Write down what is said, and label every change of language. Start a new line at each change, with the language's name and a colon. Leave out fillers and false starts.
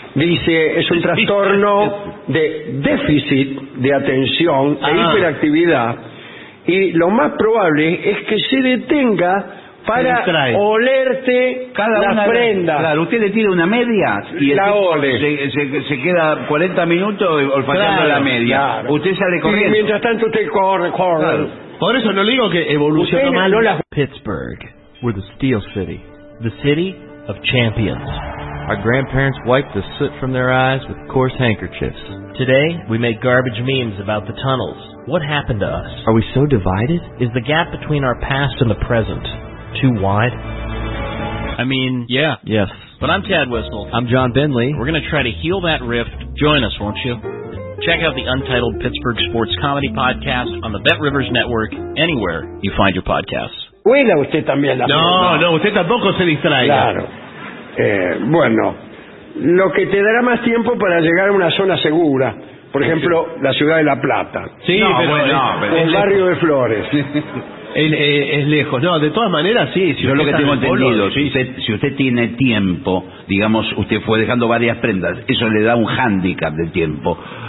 Spanish: Dice, es un trastorno de déficit de atención e hiperactividad, y lo más probable es que se detenga para olerte cada la una prenda. Claro, usted le tira una media y la ole. Se queda 40 minutos olfateando, claro, la media. Claro. Usted sale corriendo. Y mientras tanto usted corre. Claro. Por eso no le digo que evolucionó mal.
English: Pittsburgh, we're the steel city. The city of champions. Our grandparents wiped the soot from their eyes with coarse handkerchiefs. Today, we make garbage memes about the tunnels. What happened to us? Are we so divided? Is the gap between our past and the present too wide? I mean, yeah. Yes. But I'm Tad Whistle. I'm John Bentley. We're going to try to heal that rift. Join us, won't you? Check out the Untitled Pittsburgh Sports Comedy Podcast on the Bet Rivers Network, anywhere you find your podcasts.
Spanish: Huela usted también la No, usted tampoco se distraiga. Claro. Bueno, lo que te dará más tiempo para llegar a una zona segura. Por ejemplo, la ciudad de La Plata. Sí, no, pero... Bueno, el barrio de Flores. Es lejos. No, de todas maneras, sí. Si yo lo que tengo entendido, si usted, si usted tiene tiempo, digamos, usted fue dejando varias prendas, eso le da un hándicap de tiempo.